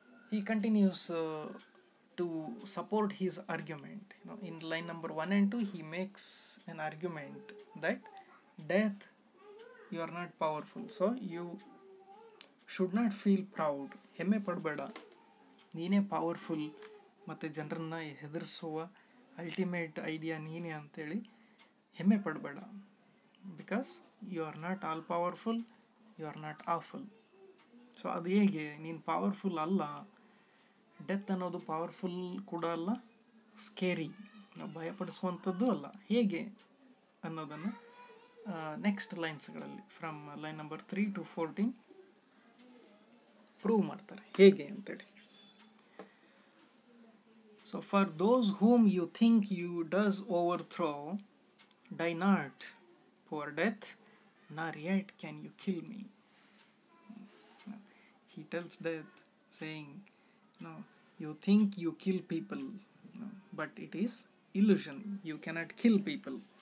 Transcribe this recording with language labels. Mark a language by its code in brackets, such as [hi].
[en] He continues to support his argument. In line number 1 and 2, he makes an argument that death, you are not powerful, so you should not feel proud. [kn] Hemme padbeda. ನೀನೆ powerful ಮತ್ತು ಜನರನ್ನು ಹೆದರಿಸುವ ultimate idea ನೀನೇ ಅಂತೇಳಿ ಹೆಮ್ಮೆ ಪಡಬೇಡ. [en] Because you are not all powerful, you are not awful. [kn] So ಅದು ಹೇಗೆ, ನೀನು ಪವರ್ಫುಲ್ ಅಲ್ಲ, ಡೆತ್ ಅನ್ನೋದು ಪವರ್ಫುಲ್ ಕೂಡ ಅಲ್ಲ, ಸ್ಕೇರಿ ಭಯಪಡಿಸುವಂಥದ್ದು ಅಲ್ಲ, ಹೇಗೆ ಅನ್ನೋದನ್ನು next ಲೈನ್ಸ್ಗಳಲ್ಲಿ [en] from line number 3 to 14 [kn] prove ಮಾಡ್ತಾರೆ ಹೇಗೆ ಅಂತೇಳಿ. [en] So for those whom you think you does overthrow, die not, poor death, nor yet can you kill me. He tells death, saying, no, you think you kill people, but it is illusion, you cannot kill people.